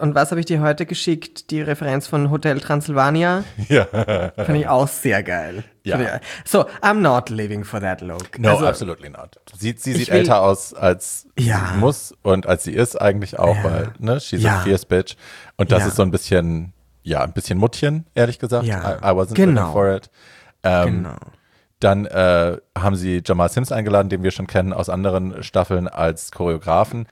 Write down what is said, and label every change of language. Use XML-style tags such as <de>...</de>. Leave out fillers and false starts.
<de>Und was habe ich dir heute geschickt? Die Referenz von Hotel Transylvania. Ja. Finde ich auch sehr geil. Ja.</de> <en>So, I'm not living for that look. No, also, absolutely not.</en> <de>Sie sieht älter aus, als sie muss und als sie ist eigentlich auch, weil, ne,</de> <en>she's a fierce bitch.</en> <de>Und das ist so ein bisschen Muttchen, ehrlich gesagt. Ja.</de> <en>I wasn't looking for it.</en> <de>Dann haben sie Jamal Sims eingeladen, den wir schon kennen aus anderen Staffeln als Choreografen.</de>